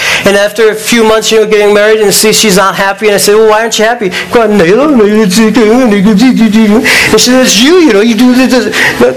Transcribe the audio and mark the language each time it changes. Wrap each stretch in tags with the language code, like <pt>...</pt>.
<en>And after a few months, you know, getting married, and see she's not happy, and I said, well, why aren't you happy?</en> <zh>她說,你咯,你自己,你自己,你自己.</zh> <en>And she says, you know, you do this, this.</en>